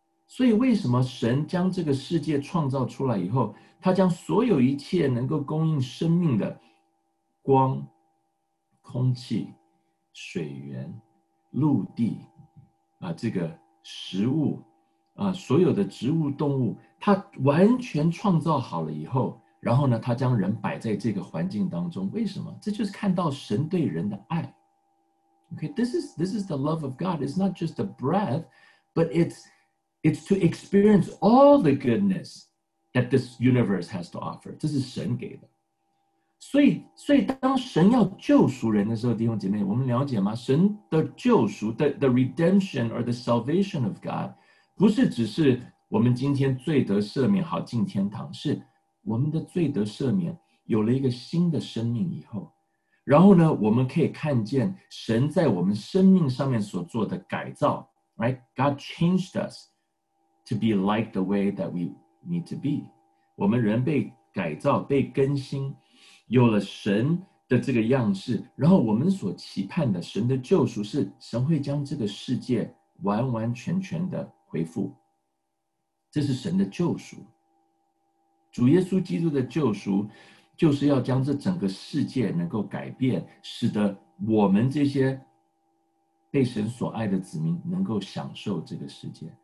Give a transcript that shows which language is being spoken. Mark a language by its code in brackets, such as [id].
[zh] 所以为什么神将这个世界创造出来以后，他将所有一切能够供应生命的光、空气、水源、陆地这个食物所有的植物动物，他完全创造好了以后，然后呢，他将人摆在这个环境当中，为什么？这就是看到神对人的爱。 [en] Okay, this is the love of God. It's not just a breath, but it's to experience all the goodness that this universe has to offer. [zh] 这是神给的。所以当神要救赎人的时候，弟兄姐妹，我们了解吗？神的救赎 [en] the redemption or the salvation of God， [zh] 不是只是我们今天罪得赦免好进天堂，是我们的罪得赦免，有了一个新的生命以后，然后呢，我们可以看见神在我们生命上面所做的改造。Right? [en] God changed us to be like the way that we need to be. [zh] 我们人被改造，被更新，有了神的这个样式，然后我们所期盼的神的救赎是神会将这个世界完完全全的恢复。这是神的救赎。主耶稣基督的救赎就是要将这整个世界能够改变，使得我们这些被神所爱的子民能够享受这个世界。